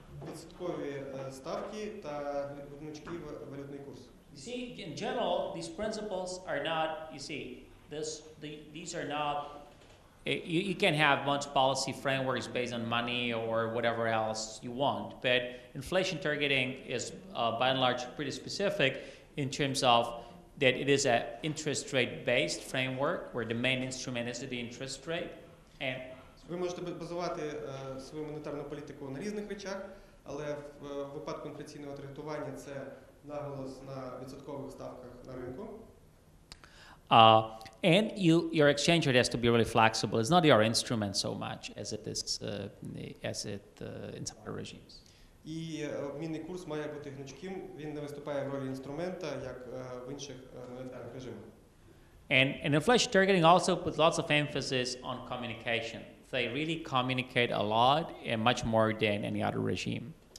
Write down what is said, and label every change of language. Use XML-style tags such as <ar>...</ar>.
<uk>відсоткові ставки та гнучкий валютний курс.</uk> <en>You see, in general, these principles are not, you see, this, the, these are not, you can't have much policy frameworks based on money or whatever else you want, but inflation targeting is by and large pretty specific in terms of that it is an interest rate based framework where the main instrument is the interest rate. And</en> <uk>ви можете базувати свою монетарну політику на різних речах, але в випадку інфляційного таргетування це наголос на відсоткових ставках на ринку.</uk> <en>And your exchange rate has to be really flexible. It's not your instrument so much as it is in some other regimes.</en> <uk>І обмінний курс має бути гнучким. Він не виступає в ролі інструмента, як в інших монетарних режимах.</uk> <en>And inflation targeting also puts lots of emphasis on communication. They really communicate a lot and much more than any other regime.</en>